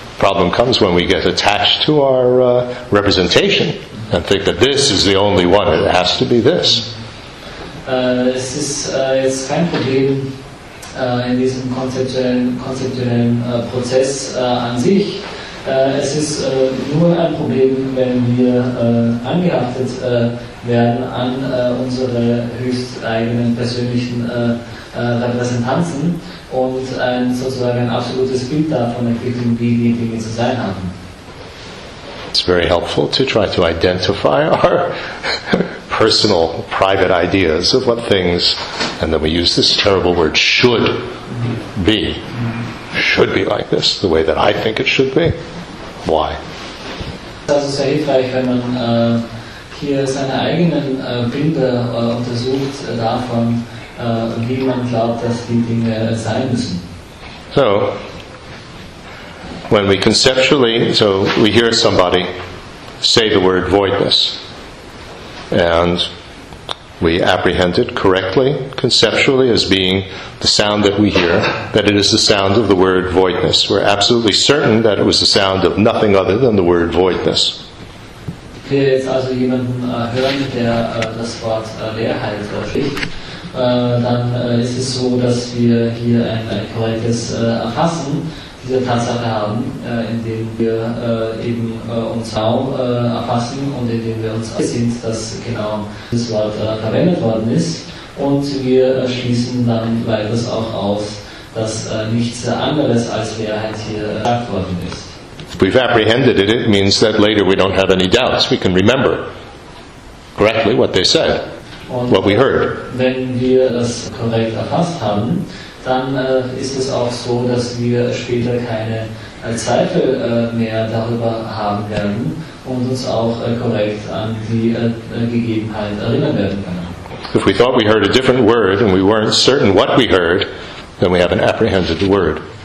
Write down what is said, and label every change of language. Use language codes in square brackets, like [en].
[en] Problem comes when we get attached to our representation and think that this is the only one, it has to be this. [de] Es ist jetzt kein Problem in diesem konzeptuellen Prozess an sich. Es ist nur ein Problem, wenn wir angehaftet werden an unsere höchst eigenen persönlichen Repräsentanzen und sozusagen ein absolutes Bild davon entwickeln, wie die Dinge zu sein haben. [en] It's very helpful to try to identify our personal, private ideas of what things, and then we use this terrible word, should be like this, the way that I think it should be. Why? [de] Das ist sehr hilfreich, wenn man hier seine eigenen Bilder untersucht davon, wie man glaubt, dass die Dinge sein müssen. [en] So, when we conceptually, so we hear somebody say the word voidness, and we apprehend it correctly, conceptually, as being the sound that we hear, that it is the sound of the word voidness. We're absolutely certain that it was the sound of nothing other than the word voidness. [de] Wir jetzt also jemanden hören, der das Wort Leerheit spricht, dann ist es so, dass wir hier ein korrektes Erfassen dieser Tatsache haben, indem wir eben uns Raum erfassen und indem wir uns sind, dass genau dieses Wort verwendet worden ist. Und wir schließen dann weiters auch aus, dass nichts anderes als Leerheit hier gesagt worden ist. [en] If we've apprehended it, it means that later we don't have any doubts. We can remember correctly what they said, [de] und [en] what we heard. [de] Wenn wir das korrekt erfasst haben, dann ist es auch so, dass wir später keine Zweifel mehr darüber haben werden und uns auch korrekt an die Gegebenheit erinnern werden können. [en] If we thought we heard a different word and we weren't certain what we heard, then we haven't apprehended the word.